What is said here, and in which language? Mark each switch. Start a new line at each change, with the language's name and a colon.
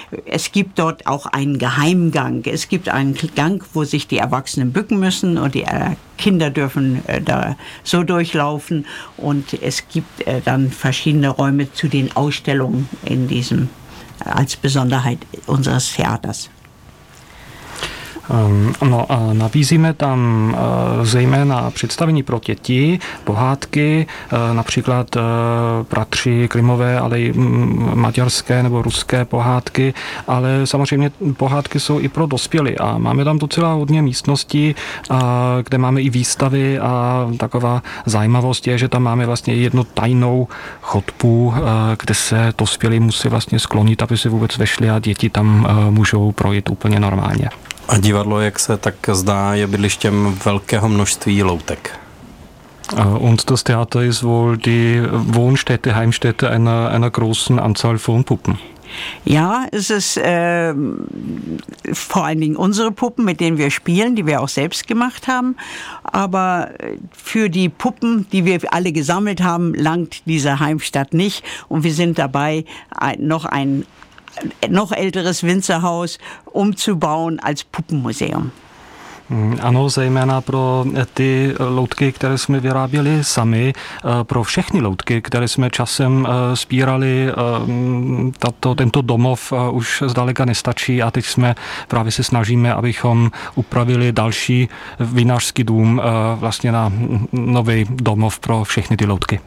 German: Es gibt dort auch einen Geheimgang. Es gibt einen Gang, wo sich die Erwachsenen bücken müssen und die Kinder dürfen da so durchlaufen und es gibt dann verschiedene Räume zu den Ausstellungen in diesem, als Besonderheit unseres Theaters.
Czech: No a nabízíme tam zejména představení pro děti, pohádky, například bratři Klimové, ale i maďarské nebo ruské pohádky, ale samozřejmě pohádky jsou i pro dospělé a máme tam docela hodně místností, kde máme i výstavy a taková zajímavost je, že tam máme vlastně jednu tajnou chodbu, kde se dospělí musí vlastně sklonit, aby se vůbec vešli a děti tam můžou projít úplně normálně. A divadlo, jak se tak zdá, je bydlištěm velkého množství loutek.
German: Und das Theater ist wohl die Wohnstätte, Heimstätte einer großen Anzahl von Puppen. Ja, es ist vor allen Dingen unsere Puppen, mit denen wir spielen, die wir auch selbst gemacht haben. Aber für die Puppen, die wir alle gesammelt haben, langt diese Heimstatt nicht. Und wir sind dabei, noch älteres Winzerhaus umzubauen als Puppenmuseum.
Czech: Ano, zejména pro ty loutky, které jsme vyráběli sami, pro všechny loutky, které jsme časem sbírali, tento domov už zdaleka nestačí a teď jsme právě se snažíme, abychom upravili další vinařský dům vlastně na nový domov pro všechny ty loutky.